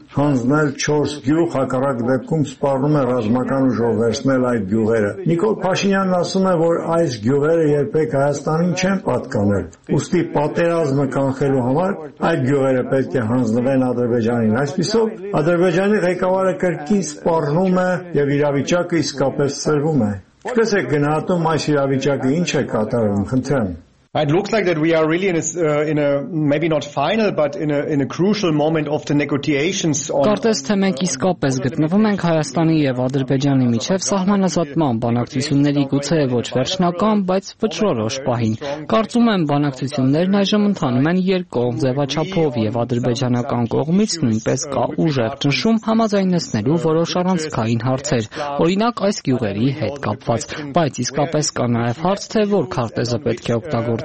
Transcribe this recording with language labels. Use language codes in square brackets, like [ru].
[hy] հանձնել 4 գյուղ, հակառակ դեպքում սպառնում է ռազմական ուժով վերցնել այդ գյուղերը։ Նիկոլ Փաշինյանն ասում է, որ այս գյուղերը երբեք Հայաստանին չեն պատկանել, ուստի պատերազմը կանխելու համար այդ գյուղերը պետք է հանձնվեն Ադրբեջանին։ Այսպիսով Ադրբեջանի ղեկավարը կրկին սպառնում է և իրավիճակը իսկապես սրվում է։ Ինչպես է գնահատում այս իրավիճակը, ինչ է կատարվում, խնդրեմ։ [en] It looks like that we are really in a maybe not final but in a crucial moment of the negotiations on [hy] Կարծես թե մենք իսկապես գտնվում ենք Հայաստանի եւ Ադրբեջանի միջև սահմանազատման բանակցությունների գուցե ոչ վերջնական, բայց վճռորոշ պահին։ Կարծում եմ, բանակցություններն այժմ ընթանում են երկկողմ ձևաչափով եւ ադրբեջանական կողմից նույնպես կա ուժեղ ճնշում համաձայնեցնելու որոշ առանցքային հարցեր, օրինակ այս գյուղերի հետ կապված, բայց իսկապես կա նաեւ հարց, թե որ քարտեզը պետք է օգտագործվի